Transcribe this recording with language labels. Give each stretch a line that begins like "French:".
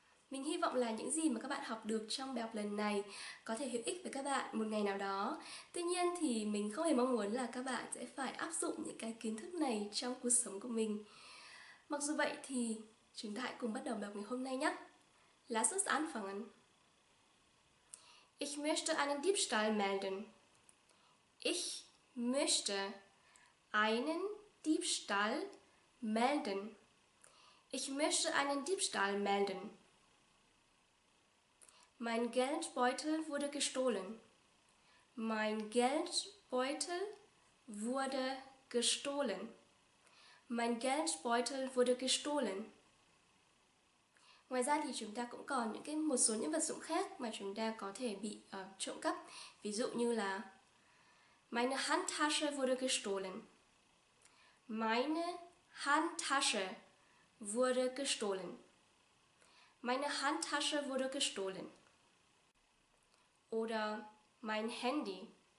Vietnamese: Mình hy vọng là những gì mà các bạn học được trong bài học lần này có thể hữu ích với các bạn một ngày nào đó. Tuy nhiên thì mình không hề mong muốn là các bạn sẽ phải áp dụng những cái kiến thức này trong cuộc sống của mình. Mặc dù vậy thì chúng ta hãy cùng bắt đầu bài học ngày hôm nay nhé.
German: Lass uns anfangen. Ich möchte einen Diebstahl melden. Ich möchte einen Diebstahl melden. Ich möchte einen Diebstahl melden. Mein Geldbeutel wurde gestohlen. Mein Geldbeutel wurde gestohlen. Mein Geldbeutel wurde gestohlen.
Vietnamese: Ngoài ra thì chúng ta cũng còn những cái một số những vật dụng khác mà chúng ta có thể bị trộm cắp. Ví dụ như là
German: Meine Handtasche wurde gestohlen. Meine Handtasche wurde gestohlen. Meine Handtasche wurde gestohlen. Oder mein Handy.